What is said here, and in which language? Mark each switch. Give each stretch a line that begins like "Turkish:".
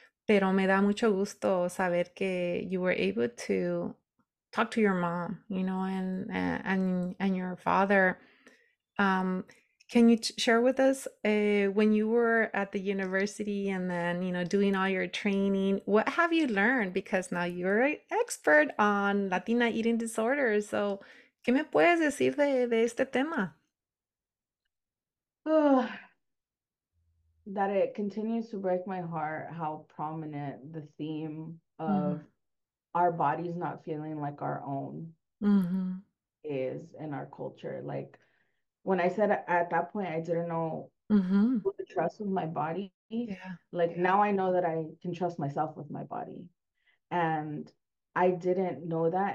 English: Pero me da mucho gusto saber que you were able to talk to your mom, you know, and your father. Can you share with us when you were at the university and then, you know, doing all your training, what have you learned? Because now you're an expert on Latina eating disorders.
Spanish: So, ¿qué me puedes decir de este tema?
English: That it continues to break my heart how prominent the theme of our bodies not feeling like our own is in our culture. Like when I said at that point I didn't know who to trust with my body, now I know that I can trust myself with my body, and I didn't know that.